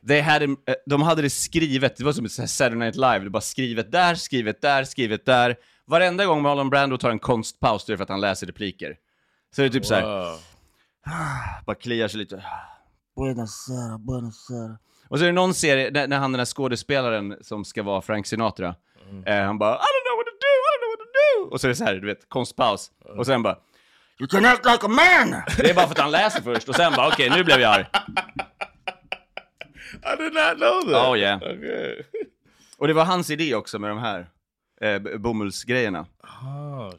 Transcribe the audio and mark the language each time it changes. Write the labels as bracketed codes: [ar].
[en] They had him, [sv] de hade det skrivet. Det var som Saturday Night Live. Det var bara skrivet där. Varenda gång Marlon Brando tar en konstpaus för att han läser repliker. Så det är typ såhär. Bara kliar sig lite. [it] Buenasera. [sv] Och så är det någon serie när han, den här skådespelaren som ska vara Frank Sinatra. Mm. Han bara, [en] I don't know what to do. [sv] Och så är det så här, du vet, konstpaus. Mm. Och sen bara, [en] you can act like a man. [sv] Det är bara för att han läser först. Och sen bara, okej, nu blev jag arg. [en] I did not know that. Oh, yeah. Okay. [sv] Och det var hans idé också med de här bomullsgrejerna. [en] Oh, shit.